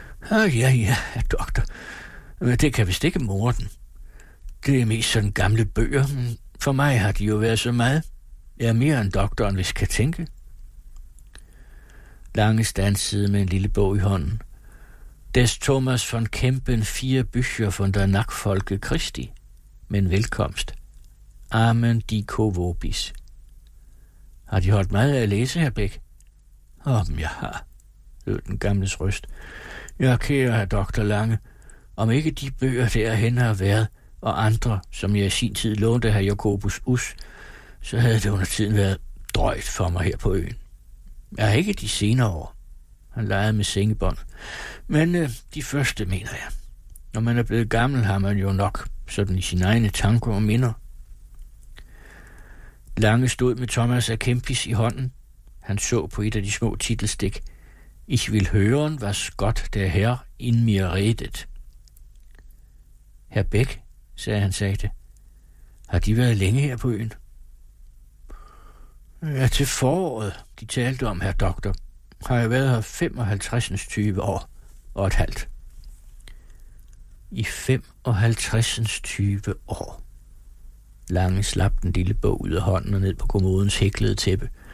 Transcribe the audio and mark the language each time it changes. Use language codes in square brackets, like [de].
[da] Ah, ja, ja, doktor. Men det kan vist ikke more den. Det er mest sådan gamle bøger. For mig har de jo været så meget. Jeg er mere end doktoren, hvis kan tænke. Lange standsede med en lille bog i hånden. [de] Des Thomas von Kempen, fire bücher von der Nachfolge Christi. [da] Men velkomst. [la] Amen dico vobis. [da] Har de holdt meget af at læse, her Bæk? Om jeg har, lød den gamles røst. Ja, kære herr doktor Lange, om ikke de bøger derhen har været, og andre, som jeg i sin tid lånte herr Jacobus Us, så havde det under tiden været drøjt for mig her på øen. Ja, ikke de senere år, han legede med sengebånd, men de første, mener jeg. Når man er blevet gammel, har man jo nok sådan i sine egne tanker og minder. Lange stod med Thomas af Kempis i hånden. Han så på et af de små titelstik. [de] Ich will hören, was Gott der Herr in mir redet. [da] Herr Bæk, sagde han sagte, har de været længe her på øen? Ja, til foråret, de talte om, herr doktor, har jeg været her 55 år og et halvt. I 55 år. Lange slap den lille bog ud af hånden og ned på kommodens hæklede tæppe.